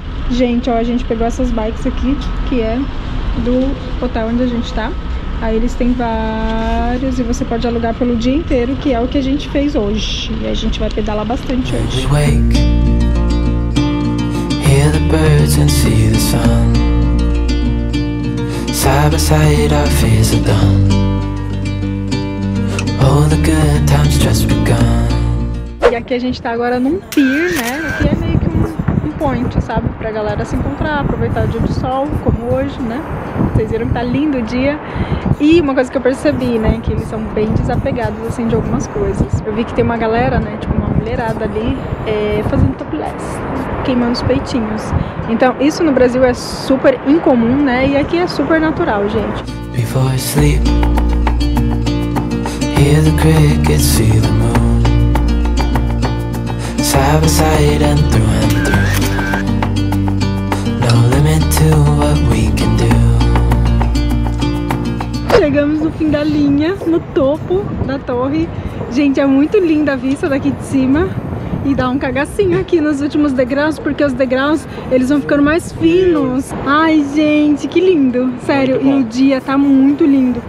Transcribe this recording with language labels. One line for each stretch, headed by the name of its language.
Portuguese: Gente, ó, a gente pegou essas bikes aqui, que é do hotel onde a gente tá. Aí eles têm vários e você pode alugar pelo dia inteiro, que é o que a gente fez hoje. E a gente vai pedalar bastante hoje.
English: We wake, hear the birds and see the sun. Side by side our fears are done. All the good times just begun.
Portuguese: E aqui a gente tá agora num pier, né? Aqui é meio que um point, sabe? Pra galera se encontrar, aproveitar o dia do sol, como hoje, né? Vocês viram que tá lindo o dia. E uma coisa que eu percebi, né? Que eles são bem desapegados, assim, de algumas coisas. Eu vi que tem uma galera, né? Tipo, uma mulherada ali, fazendo topless, queimando os peitinhos. Então, isso no Brasil é super incomum, né? E aqui é super natural, gente.
English: Before I sleep, hear the crickets, see the moon. Side by side and through and through. No limit to what we can do.
Portuguese: Chegamos no fim da linha, no topo da torre. Gente, é muito linda a vista daqui de cima. E dá um cagacinho aqui nos últimos degraus, porque os degraus, eles vão ficando mais finos. Ai, gente, que lindo. Sério, e o dia tá muito lindo.